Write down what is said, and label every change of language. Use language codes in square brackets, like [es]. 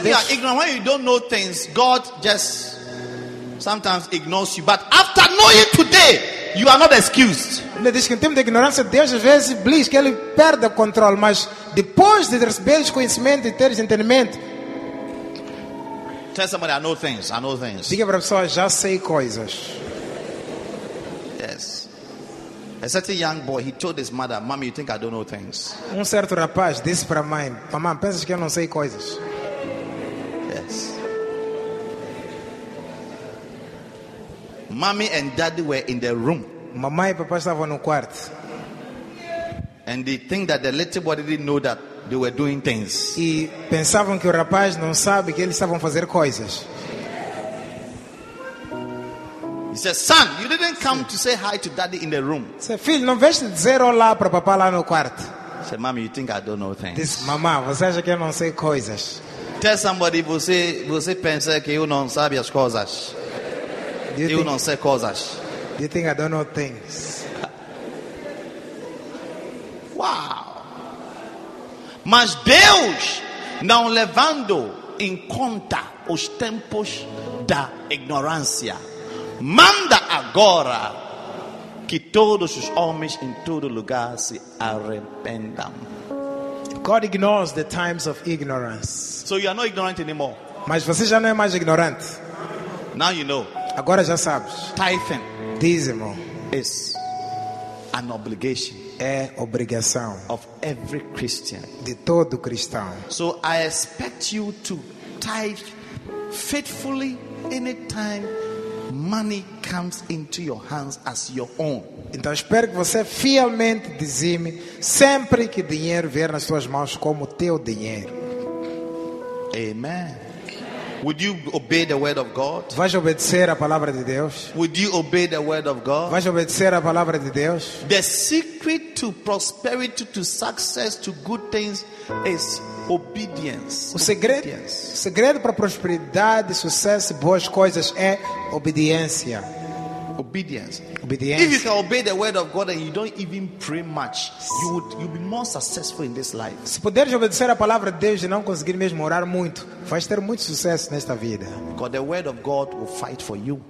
[en] when you are ignorant, when you don't know things, God just sometimes ignores you, but after knowing today, you are not excused. [pt] Ele diz que em tempo de ignorância Deus às vezes diz que ele perde o controle, mas depois de receber conhecimento e ter entendimento. [en] Tell somebody, I know things. [pt] Diga para a pessoa, já sei coisas. [en] Yes. A certain young boy, he told his mother, "Mommy, you think I don't know things?" [pt] Um certo rapaz disse para a mãe, "Mamã, pensas que eu não sei coisas?" [en] Yes. Mommy and daddy were in the room. [pt] Mamãe e papai estavam no quarto. [en] And they think that the little boy didn't know that they were doing things. [pt] E pensavam que o rapaz não sabe que eles estavam fazer coisas. [en] He says, "Son, you didn't come to say hi to daddy in the room." [pt] Se filho, não veste dizer olá para papai lá no quarto. [en] Say, "Mommy, you think I don't know things?" [pt] Diz, mamã, você acha que eu não sei coisas? [en] Tell somebody, [pt] você pensa que eu não sabe as coisas? Eu não sei coisas. [en] Do you think I don't know things? Wow. [pt] Mas Deus não levando em conta os tempos da ignorância. Manda agora que todos os homens em todo lugar se arrependam. [en] God ignores the times of ignorance. So you are not ignorant anymore. [pt] Mas você já não é mais ignorante. [en] Now you know. [pt] Agora já sabes. [en] Tithe. [pt] Dízimo. [en] Is an obligation. [pt] É obrigação. [en] Of every Christian. [pt] De todo cristão. [en] So I expect you to tithe faithfully anytime money comes into your hands as your own. [pt] Então espero que você fielmente dizime sempre que dinheiro vier nas suas mãos como teu dinheiro. [en] Amen. Would you obey the word of God? [pt] Vais obedecer a palavra de Deus? [en] Would you obey the word of God? [pt] Vais obedecer a palavra de Deus? [en] The secret to prosperity, to success, to good things is obedience. [pt] O segredo para prosperidade, sucesso e boas coisas é obediência. [en] Obedience. If you can obey the word of God and you don't even pray much, you'll be more successful in this life. [pt] Se puderes obedecer a palavra de Deus e não conseguir mesmo orar muito, vais ter muito sucesso nesta vida. [en] Because the word of God will fight for you.